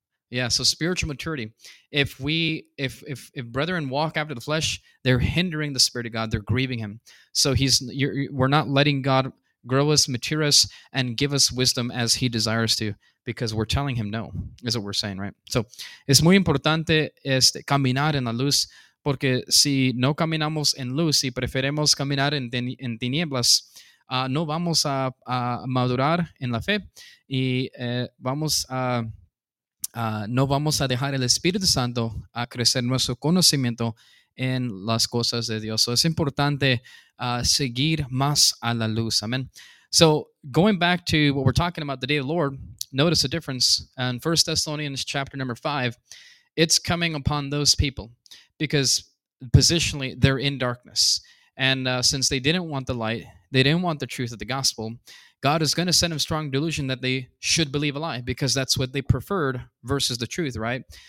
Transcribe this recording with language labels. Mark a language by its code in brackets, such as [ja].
[en] Yeah, so spiritual maturity. If brethren walk after the flesh, they're hindering the Spirit of God. They're grieving him. So we're not letting God grow us, mature us, and give us wisdom as he desires to, because we're telling him no, is what we're saying, right? [es] So es muy importante caminar en la luz, porque si no caminamos en luz y preferemos caminar en tinieblas, no vamos a madurar en la fe y no vamos a dejar el Espíritu Santo a crecer nuestro conocimiento en las cosas de Dios. So es importante seguir más a la luz. [en] Amen. So going back to what we're talking about, the day of the Lord, notice the difference. In 1 Thessalonians chapter number 5, it's coming upon those people because positionally they're in darkness. And since they didn't want the light, they didn't want the truth of the gospel, God is going to send them strong delusion that they should believe a lie because that's what they preferred versus the truth, right?